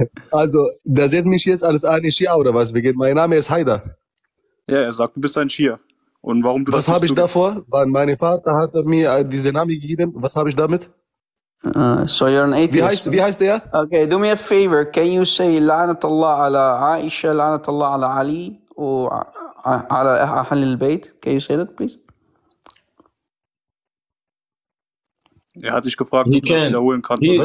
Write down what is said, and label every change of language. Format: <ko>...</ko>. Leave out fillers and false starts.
<de>Also, der sieht mich jetzt als ein Shia oder was? Wie geht? Mein Name ist Haider. Ja, er sagt, du bist ein Shia. Und warum du was habe ich davor? Weil mein Vater hat mir diesen Namen gegeben. Was habe ich damit?</de> <en>So you're an atheist.</en> <de>Wie heißt der?</de> <en>Okay, do me a favor. Can you say</en> <ar>لعنت الله على عائشة لعنت الله على علي و على أهل البيت?</ar> <en>Can you say that, please?</en> <de>Er hat dich gefragt, ob du das wiederholen kannst.</de>